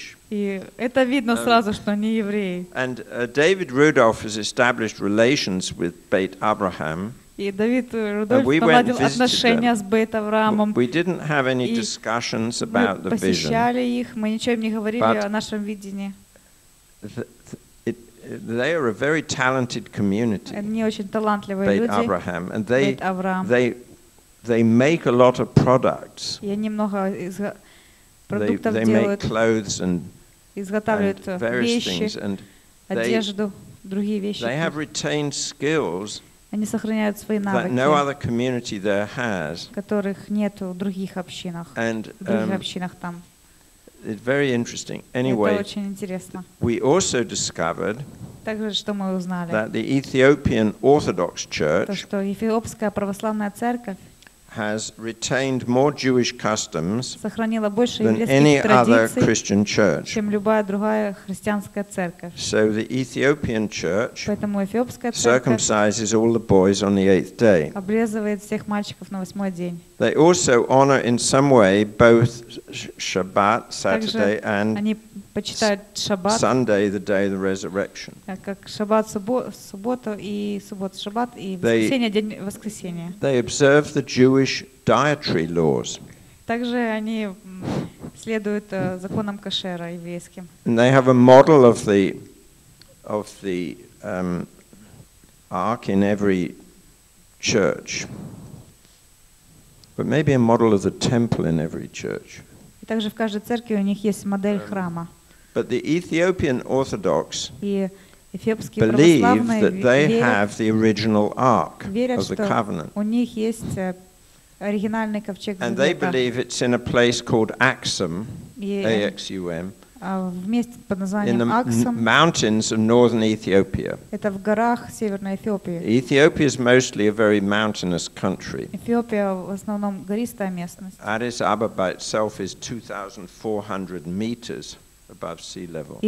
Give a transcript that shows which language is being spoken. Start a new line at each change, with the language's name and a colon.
Russian: И это видно сразу, что они евреи.
English: And David Rudolph has established relations with Beit Abraham.
Russian: И Давид Рудольф наладил отношения с Бейт Авраамом.
English: We didn't have any discussions about the vision.
Russian: Мы посещали их, мы ничего им не говорили о нашем видении.
English: They are a very talented community.
Russian: Они очень талантливые люди.
English: Бейт Авраам. And they make a lot of products.
Russian: И они много продуктов делают.
English: They make clothes and
Russian: изготавливают вещи, одежду, другие вещи.
English: They have retained skills.
Russian: Они сохраняют свои навыки,
English: no other community there has,
Russian: которых нет в других общинах.
English: And,
Russian: других общинах там.
English: It's very interesting. Anyway,
Russian: это очень интересно.
English: We also discovered,
Russian: также, что мы узнали,
English: that the Ethiopian Orthodox Church,
Russian: то, что Эфиопская православная церковь,
English: has retained more Jewish customs than any other Christian church.
Russian: Чем любая другая христианская церковь.
English: So the Ethiopian church
Russian: Поэтому эфиопская церковь
English: circumcises all the boys on the eighth day.
Russian: Обрезывает всех мальчиков на восьмой день.
English: They also honor in some way both Shabbat, Saturday, and
Russian: они почитают Шаббат,
English: Sunday, the day of the resurrection.
Russian: Как Шаббат, суббота и суббота, Шаббат и воскресенье, день воскресения.
English: They observe the Jewish dietary laws.
Russian: Также они следуют законам кошера еврейским.
English: And they have a model of the ark in every church. But maybe a model of the temple in every church.
Russian: И также в каждой церкви у них есть модель храма.
English: But the Ethiopian Orthodox
Russian: эфиопские
English: believe
Russian: православные
English: that they have the original ark
Russian: верят,
English: of the covenant.
Russian: У них есть оригинальный ковчег завета.
English: And they believe it's in a place called Axum, A-X-U-M,
Russian: вместе под названием Axum,
English: in the mountains of northern Ethiopia.
Russian: Это в горах северной Эфиопии.
English: Ethiopia is mostly a very mountainous country.
Russian: Эфиопия в основном гористая местность.
English: Addis Ababa itself is 2,400 meters above sea level.